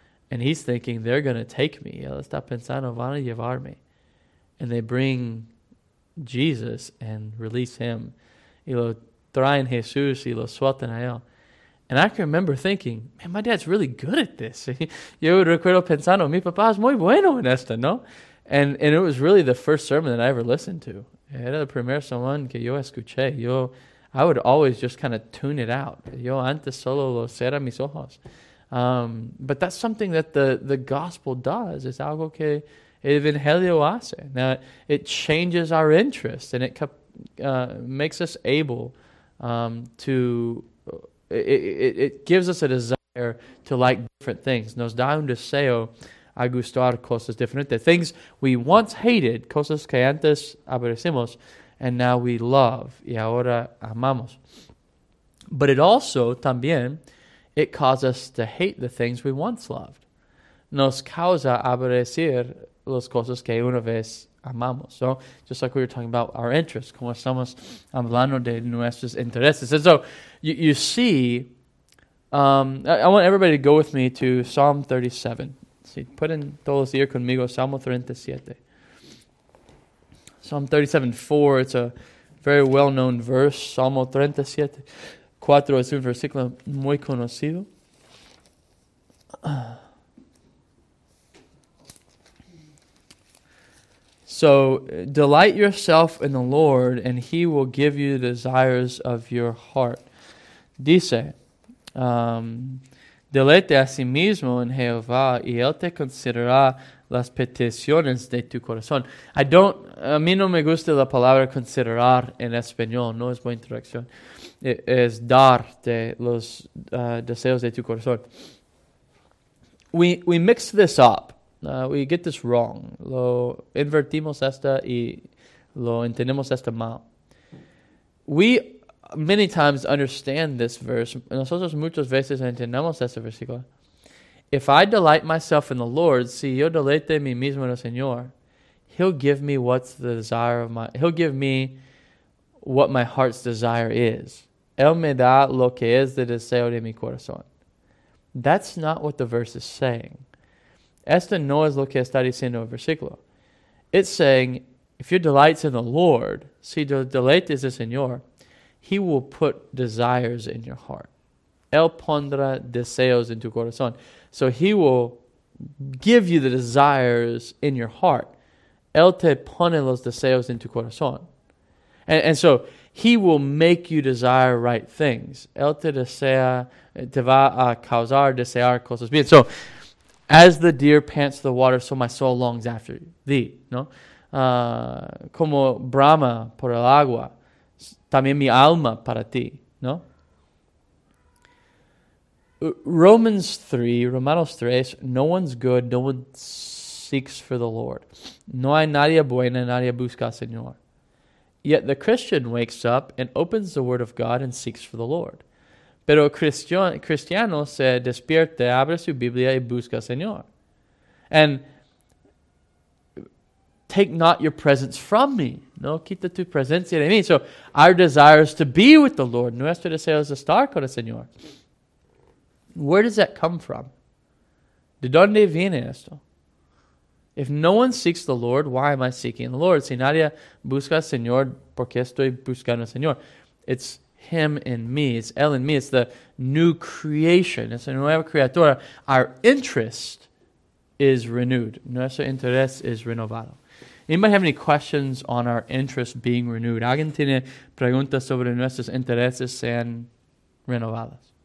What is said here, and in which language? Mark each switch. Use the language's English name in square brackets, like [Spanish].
[English] And he's thinking, they're going to take me. [Spanish] Él está pensando, van a llevarme. [English] And they bring Jesus and release him. [Spanish] Y lo traen Jesús y lo sueltan a él. [English] And I can remember thinking, man, my dad's really good at this. [Spanish] Yo recuerdo pensando, mi papá es muy bueno en esto, ¿no? [English] And it was really the first sermon that I ever listened to. [Spanish] Era el primer sermón que yo escuché. [English] I would always just kind of tune it out. [Spanish] Yo antes solo lo cerré mis ojos. [English] But that's something that the gospel does. It's [Spanish] algo que el evangelio hace. [English] Now, it changes our interest, and it makes us able to... It gives us a desire to like different things. [Spanish] Nos da un deseo a gustar cosas diferentes. [English] Things we once hated, [Spanish] cosas que antes aborrecimos, [English] and now we love, [Spanish] y ahora amamos. [English] But it also, también... it causes us to hate the things we once loved. [Spanish] Nos causa aborrecer las cosas que una vez amamos. [English] So, just like we were talking about our interests, [Spanish] como estamos hablando de nuestros intereses. [English] And so, you see, I want everybody to go with me to Psalm 37. [Spanish] Si, pueden todos ir conmigo, Salmo 37. [English] Psalm 37:4, it's a very well-known verse. [Spanish] Salmo 37:4 es un versículo muy conocido. [English] So, delight yourself in the Lord, and He will give you the desires of your heart. [Spanish] Dice, deleite a sí mismo en Jehová, y Él te considerará las peticiones de tu corazón. A mí no me gusta la palabra considerar en español, no es buena traducción. Es darte los deseos de tu corazón. [English] We mix this up. We get this wrong. [Spanish] Lo invertimos esta y lo entendemos esta mal. [English] We many times understand this verse. [Spanish] Nosotros muchas veces entendemos este versículo. [English] If I delight myself in the Lord, [Spanish] si yo deleite mi mismo en el Señor, [English] He'll give me what's the desire of my... He'll give me what my heart's desire is. [Spanish] Él me da lo que es el deseo de mi corazón. [English] That's not what the verse is saying. [Spanish] Esto no es lo que está diciendo el versículo. [English] It's saying, if your delight's in the Lord, [Spanish] si tu deleite es el Señor, [English] He will put desires in your heart. [Spanish] Él pondrá deseos en tu corazón. [English] So He will give you the desires in your heart. [Spanish] Él te pone los deseos en tu corazón. [English] And so He will make you desire right things. [Spanish] Él te desea, te va a causar desear cosas bien. [English] So, as the deer pants the water, so my soul longs after thee. [Spanish] No, como brama por el agua, también mi alma para ti. No. [English] Romanos 3, no one's good, no one seeks for the Lord. [Spanish] No hay nadie buena, nadie busca al Señor. [English] Yet the Christian wakes up and opens the Word of God and seeks for the Lord. [Spanish] Pero cristiano se despierta, abre su Biblia y busca al Señor. [English] And take not your presence from me. [Spanish] No, quita tu presencia de mí. [English] So, our desire is to be with the Lord. [Spanish] Nuestro deseo es estar con el Señor. [English] Where does that come from? [Spanish] ¿De dónde viene esto? [English] If no one seeks the Lord, why am I seeking the Lord? [Spanish] Si nadie busca al Señor, ¿por qué estoy buscando al Señor? [English] It's Him and me, it's El and me, it's the new creation, it's a [Spanish] nueva criatura. [English] Our interest is renewed. [Spanish] Nuestro interés es renovado. [English] Anybody have any questions on our interest being renewed? [Spanish] ¿Alguien tiene preguntas sobre nuestros intereses sean renovados?